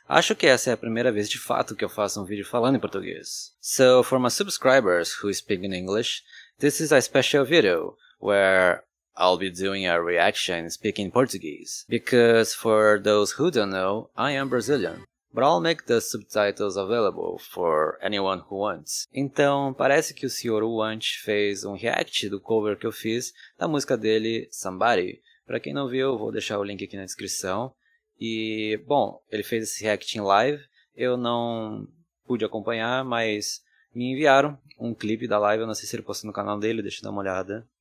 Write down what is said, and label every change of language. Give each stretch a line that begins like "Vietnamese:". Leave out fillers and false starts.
Portuguese: Acho que essa é a primeira vez de fato que eu faço um vídeo falando em português.
English: So, for my subscribers who speak in English, this is a special video where I'll be doing a reaction speaking Portuguese. Because for those who don't know, I am Brazilian. But I'll make the subtitles available for anyone who wants.
Portuguese: Então, parece que o senhor Wunsch fez um react do cover que eu fiz da música dele, Somebody. Pra quem não viu, eu vou deixar o link aqui na descrição. E, bom, ele fez esse react em live. Eu não pude acompanhar, mas me enviaram um clipe da live. Eu não sei se ele postou no canal dele, deixa eu dar uma olhada.